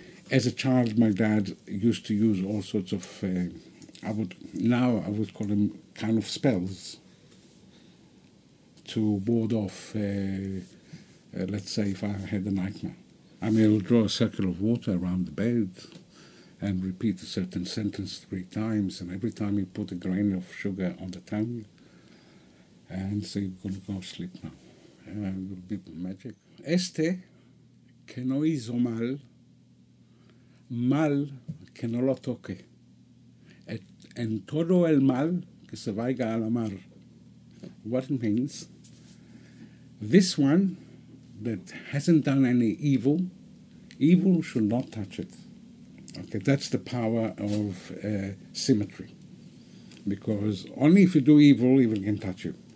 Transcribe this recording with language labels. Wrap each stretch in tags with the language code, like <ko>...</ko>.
<en>As a child, my dad used to use all sorts of, I would call them kind of spells to ward off, let's say, if I had a nightmare. I mean, I would draw a circle of water around the bed and repeat a certain sentence three times, and every time you put a grain of sugar on the tongue and say, you're going to go sleep now. And it would be magic.</en> <es>Este que no hizo mal, mal que no lo toque. En todo el mal que se vaya a la mar.</es> <en>What it means, this one that hasn't done any evil, evil should not touch it. Okay, that's the power of symmetry. Because only if you do evil, evil can touch you.</en>